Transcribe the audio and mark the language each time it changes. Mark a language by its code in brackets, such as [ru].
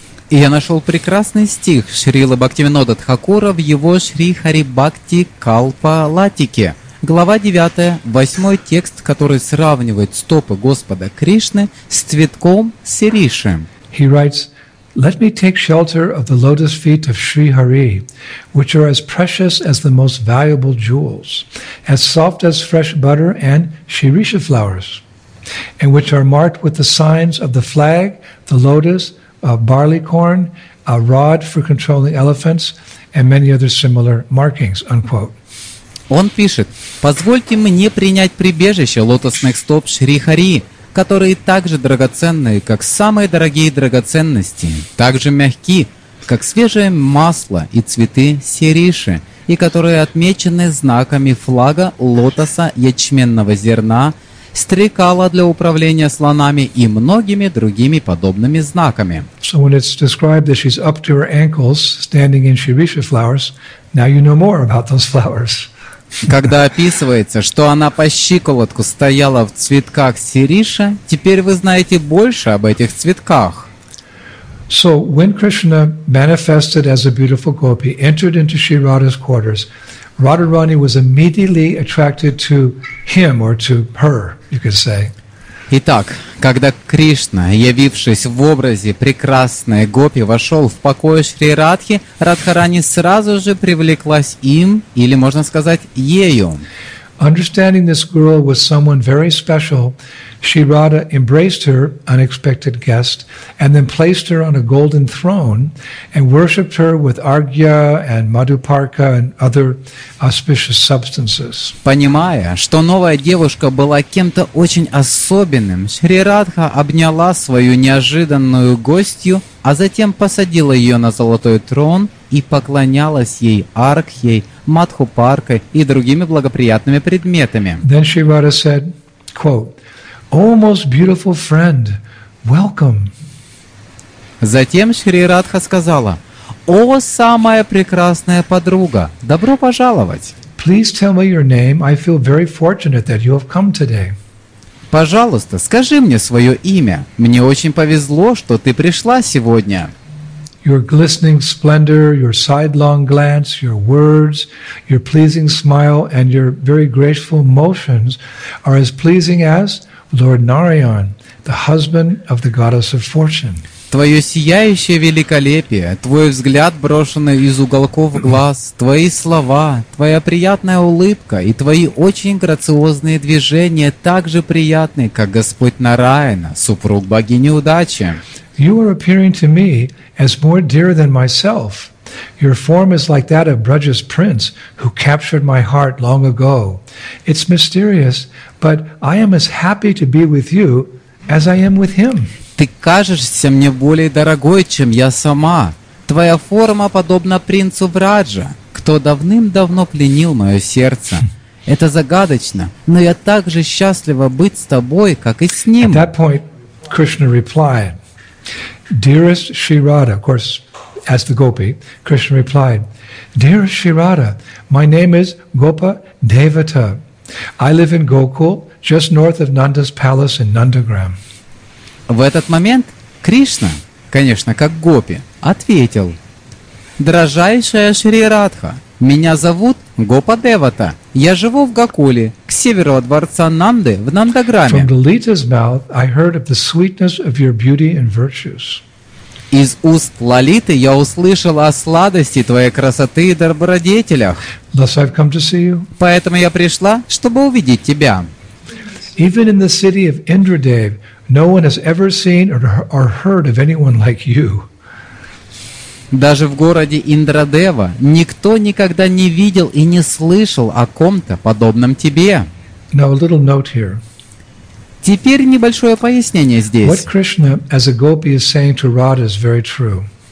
[ru] И я нашел прекрасный стих Шрила Бхактивинода Тхакура в его Шри Хари Бхакти Калпа Латике. Глава 9, 8 текст, который сравнивает стопы Господа Кришны с цветком сириши. [en] He writes, "Let me take shelter of the lotus feet of Shri Hari, which are as precious as the most valuable jewels, as soft as fresh butter and shirisha flowers, and which are marked with the signs of the flag, the lotus, a barley corn, a rod for controlling elephants, and many other similar markings." Unquote. [ru] Он пишет: «Позвольте мне принять прибежище лотосных стоп Шри Хари, которые также драгоценные, как самые дорогие драгоценности, также мягки, как свежее масло и цветы сириши, и которые отмечены знаками флага лотоса ячменного зерна, стрекала для управления слонами и многими другими подобными знаками». [en] So when it's described that she's up to her ankles standing in shirisha flowers, now you know more about those flowers. [ru] Когда описывается, что она по щиколотку стояла в цветках сириша, теперь вы знаете больше об этих цветках. [en] So when Krishna manifested as a beautiful gopi, entered into Shri Radha's quarters, Radharani was immediately attracted to him, or to her, you could say. [ru] Итак, когда Кришна, явившись в образе прекрасной гопи, вошел в покои Шри Радхи, Радхарани сразу же привлеклась им, или можно сказать, ею. [en] Understanding this girl was someone very special, Shri Radha embraced her unexpected guest and then placed her on a golden throne and worshipped her with argya and madhuparka and other auspicious substances. [ru] Понимая, что новая девушка была кем-то очень особенным, Шри Радха обняла свою неожиданную гостью а затем посадила ее на золотой трон и поклонялась ей Аркхей, Мадхупаркой и другими благоприятными предметами. [en] Then Shivara said, quote, "O most beautiful friend, welcome." [ru] Затем Шри Радха сказала: «О, самая прекрасная подруга, добро пожаловать!» [en] Please tell me your name. I feel very fortunate that you have come today. [ru] Пожалуйста, скажи мне свое имя. Мне очень повезло, что ты пришла сегодня. [en] Your glistening splendor, your sidelong glance, your words, your pleasing smile, and your very graceful motions are as pleasing as Lord Narayan, the husband of the goddess of fortune. [ru] Твое сияющее великолепие, твой взгляд, брошенный из уголков глаз, твои слова, твоя приятная улыбка и твои очень грациозные движения так же приятны, как Господь Нараяна, супруг богини удачи. [en] You are appearing to me as more dear than myself. Your form is like that of Braja's prince, who captured my heart long ago. It's mysterious, but I am as happy to be with you as I am with him. [ru] Ты кажешься мне более дорогой, чем я сама. Твоя форма подобна принцу Враджа, кто давным-давно пленил мое сердце. Это загадочно, но я так же счастлива быть с тобой, как и с ним. [en] At that point, Krishna replied, "Dearest Shri Radha," of course, as the Gopi, Krishna replied, "Dearest Shri Radha, my name is Gopa Devata. I live in Gokul, just north of Nanda's palace in Nandagram." [ru] В этот момент Кришна, конечно, как Гопи, ответил: «Дражайшая Шри Радха, меня зовут Гопа Девата. Я живу в Гокуле, к северу от дворца Нанды в Нандаграме». [en] From Lalita's mouth I heard of the sweetness of your beauty and virtues. [ru] Из уст Лалиты я услышал о сладости твоей красоты и добродетелях. [en] Thus I've come to see you. [ru] Поэтому я пришла, чтобы увидеть тебя. [en] Even in the city of Indradev, no one has ever seen or heard of anyone like you. [ru] Даже в городе Индрадева никто никогда не видел и не слышал о ком-то подобном тебе. [en] Now a little note here. [ru] Теперь небольшое пояснение здесь. [en] What Krishna as a gopi is saying to Radha is very true.